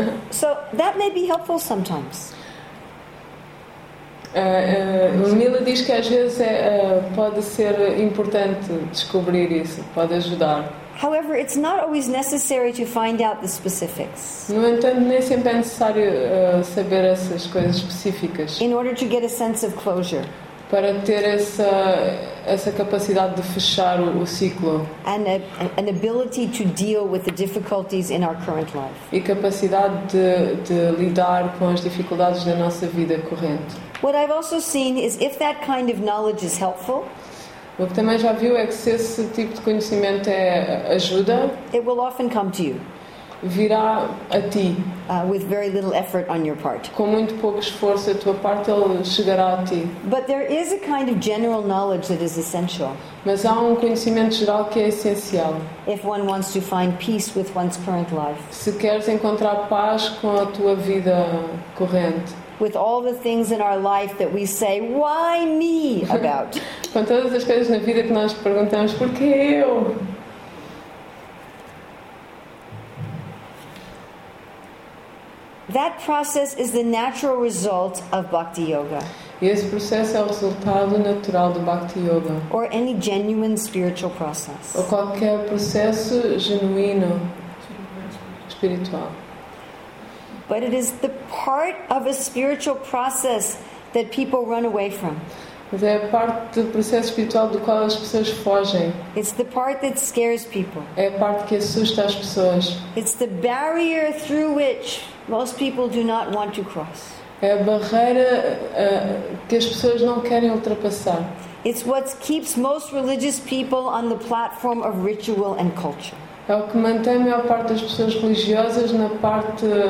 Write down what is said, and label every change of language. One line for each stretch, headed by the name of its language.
English: So that may be helpful sometimes.
Portuguese: Mila diz que às vezes pode ser importante descobrir isso, pode ajudar.
English: However, it's not always necessary to find out the specifics.
Portuguese: No entanto, nem sempre é necessário saber essas coisas específicas.
English: In order to get a sense of closure.
Portuguese: Para ter essa capacidade de fechar o ciclo.
English: And an ability to deal with the difficulties in our current life.
Portuguese: E capacidade de lidar com as dificuldades da nossa vida corrente.
English: What I've also seen is if that kind of knowledge is helpful.
Portuguese: O que também já viu é que se esse tipo de conhecimento é ajuda,
English: it will often come to you.
Portuguese: Virá a ti.
English: With very little effort on your part.
Portuguese: Com muito pouco esforço da tua parte, ele chegará a ti.
English: But there is a kind of general knowledge that is essential.
Portuguese: Mas há conhecimento geral que é essencial.
English: If one wants to find peace with one's current life.
Portuguese: Se queres encontrar paz com a tua vida corrente.
English: with all the things in our life that we say, why me, about.
Portuguese: Com todas as coisas na vida que nós perguntamos, por que eu?
English: That process is the natural result of Bhakti Yoga.
Portuguese: E esse processo é o resultado natural do Bhakti Yoga.
English: Or any genuine spiritual process.
Portuguese: Ou qualquer processo genuíno, espiritual.
English: But it is the part of a spiritual process that people run away from.
Portuguese: Mas é a parte do processo espiritual do qual as pessoas fogem.
English: It's the part that scares people.
Portuguese: É a parte que assusta as pessoas.
English: It's the barrier through which most people do not want to cross.
Portuguese: É a barreira que as pessoas não querem ultrapassar.
English: It's what keeps most religious people on the platform of ritual and culture.
Portuguese: É o que mantém a maior parte das pessoas religiosas na parte